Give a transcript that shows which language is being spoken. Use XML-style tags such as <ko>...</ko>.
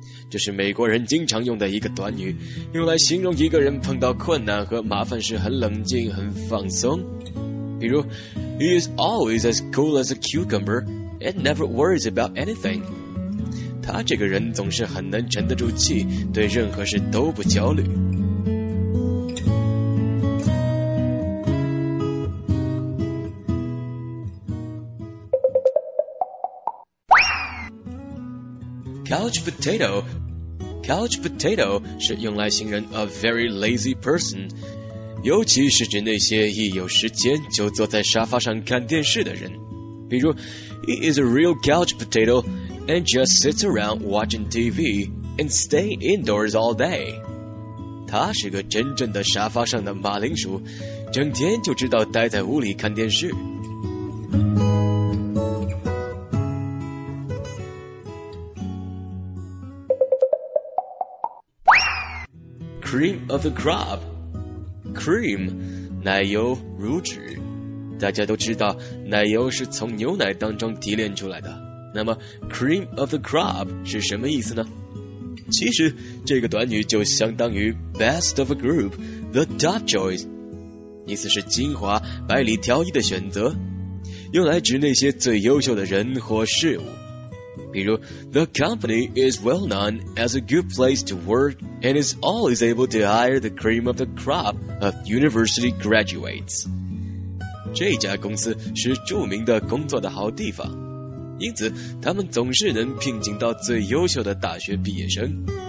<zh>这是美国人经常用的一个短语，用来形容一个人碰到困难和麻烦时很冷静、很放松。比如</zh> <en>He is always as cool as a cucumber and never worries about anything.</en> <zh>他这个人总是很能沉得住气，对任何事都不焦虑。</zh> <en>Couch potato.</en> <zh>Couch potato 是用来形容</zh> <en>a very lazy person，</en> <zh>尤其是指那些一有时间就坐在沙发上看电视的人。比如</zh> <en>He is a real couch potato and just sits around watching TV and stay indoors all day.</en> <zh>他是个真正的沙发上的马铃薯，整天就知道待在屋里看电视。</zh> <en>Cream of the crop.</en> <zh>Cream, 奶油、乳脂，大家都知道奶油是从牛奶当中提炼出来的。那么 cream of the crop 是什么意思呢？其实这个短语就相当于</zh> <en>best of a group, the top choice,</en> <zh>意思是精华、百里挑一的选择，用来指那些最优秀的人或事物。</zh> <en>比如 The company is well known as a good place to work and is always able to hire the cream of the crop of university graduates.</en> <zh>这家公司是著名的工作的好地方，因此他们总是能聘请到最优秀的大学毕业生。</zh>